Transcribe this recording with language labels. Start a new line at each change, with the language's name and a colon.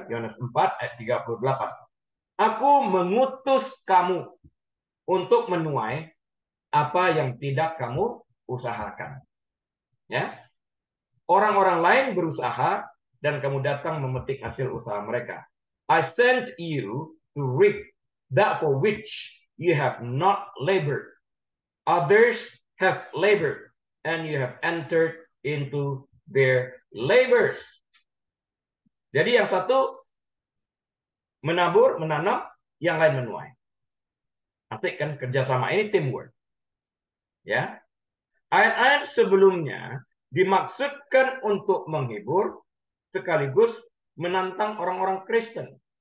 Indonesian: Yohanes 4 ayat 38. Aku mengutus kamu untuk menuai apa yang tidak kamu usahakan. Ya. Orang-orang lain berusaha dan kamu datang memetik hasil usaha mereka.
English: I sent you to reap that for which you have not labored. Others have labored and you have entered into their labors.
Indonesian: Jadi yang satu menabur, menanam, yang lain menuai. Nanti kan kerjasama ini teamwork. Ya. Ayat-ayat sebelumnya dimaksudkan untuk menghibur sekaligus menantang orang-orang Kristen.